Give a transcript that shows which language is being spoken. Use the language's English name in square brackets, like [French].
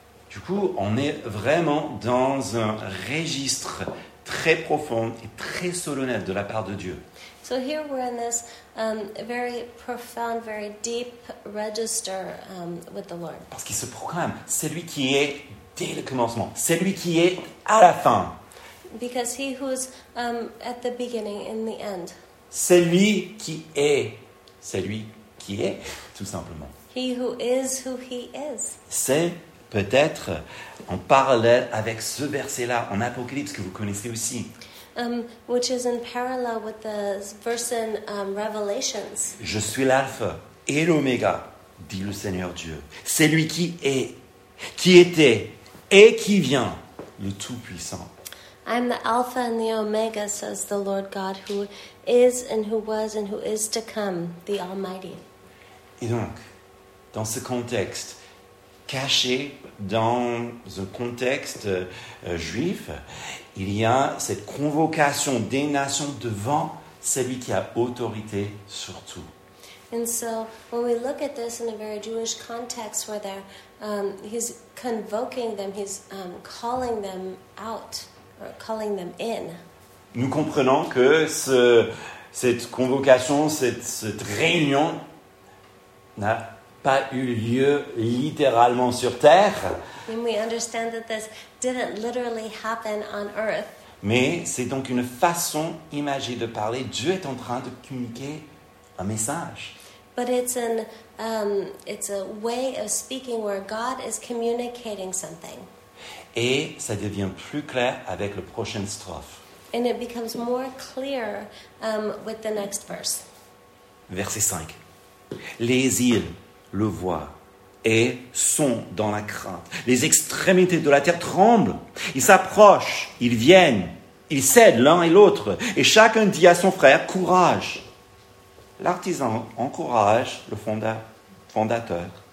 [French] Du coup, on est vraiment dans un registre très profond et très solennel de la part de Dieu. [English] So here we're in this very profound, very deep register with the Lord. [French] Parce qu'il se proclame, c'est lui qui est dès le commencement. C'est lui qui est à la fin. [English] Because he who's at the beginning in the end. [French] C'est lui qui est. C'est lui qui est, tout simplement. [English] He who is who he is. [French] C'est peut-être en parallèle avec ce verset-là en Apocalypse que vous connaissez aussi. [English] Which is in parallel with the verse in Revelations. [French] Je suis l'alpha et l'oméga, dit le Seigneur Dieu. C'est lui qui est, qui était et qui vient, le Tout-Puissant. [English] I'm the Alpha and the Omega, says the Lord God, who is and who was and who is to come, the Almighty. [French] Et donc, dans ce contexte, caché dans un contexte juif, il y a cette convocation des nations devant celui qui a autorité sur tout. [English] And so, when we look at this in a very Jewish context, where they're, he's convoking them, he's calling them out. Calling them in. [French] Nous comprenons que cette convocation, cette réunion n'a pas eu lieu littéralement sur terre. [English] And we understand that this didn't literally happen on earth. [French] Mais c'est donc une façon imagée de parler. Dieu est en train de communiquer un message. [English] But it's a way of speaking where God is communicating something. [French] Et ça devient plus clair avec la prochaine strophe. [English] And it becomes more clear with the next verse. [French] Verset 5. Les îles le voient et sont dans la crainte. Les extrémités de la terre tremblent. Ils s'approchent, ils viennent, ils cèdent l'un et l'autre. Et chacun dit à son frère, courage. L'artisan encourage le fondateur.